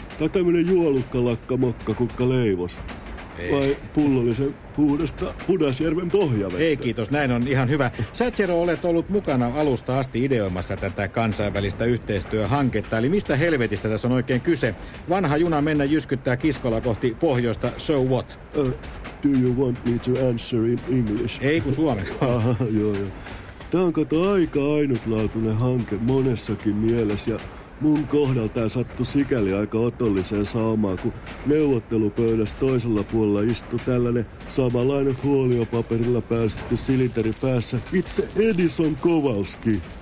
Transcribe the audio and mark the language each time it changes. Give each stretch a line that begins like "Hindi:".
Finnish: Tai tämmönen juolukkalakka mokka kukka leivos. Ei. Vai pullollisen puhdasta Pudasjärven pohjavettä? Ei kiitos, näin on ihan hyvä. Sä, Zero, olet ollut mukana alusta asti ideoimassa tätä kansainvälistä yhteistyöhanketta. Eli mistä helvetistä tässä on oikein kyse? Vanha juna mennä jyskyttää kiskolla kohti pohjoista,
English: so what? Do you want me to answer in English?
Finnish: Ei kun suomeksi. Joo, joo. Tää on kato aika ainutlaatuinen hanke monessakin mielessä ja... Mun kohdalta sattui sikäli aika otolliseen saamaan, kun neuvottelupöydässä toisella puolella istui tällainen samanlainen foliopaperilla päästetty silinteri päässä itse Edison Kowalski.